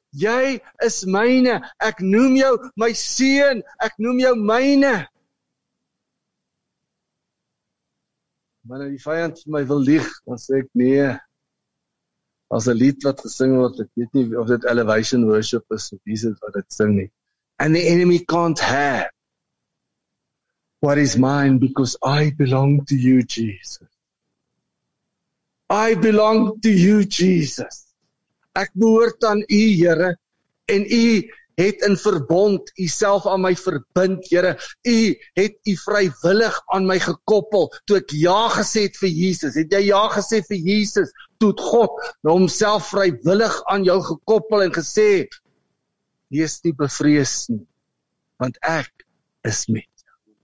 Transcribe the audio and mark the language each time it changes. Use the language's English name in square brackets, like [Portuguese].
[Afrikaans] Jy is myne. Ek noem jou my seun. Ek noem jou myne. Maar nou die vyand vir my wil lieg, dan sê ek nee. As 'n lied wat gesing word, ek weet nie of dit Elevation Worship is, of wie is dit wat dit sing nie. [English] And the enemy can't have what is mine because I belong to you, Jesus. I belong to you, Jesus. [Afrikaans] Ek behoort aan u, Here, en u het in verbond u self aan my verbind, Here. U het u vrywillig aan my gekoppel, toe ek ja gesê het vir Jesus. Het jy ja gesê vir Jesus, toe het God homself vrywillig aan jou gekoppel en gesê, wees nie bevrees nie, want ek is met jou.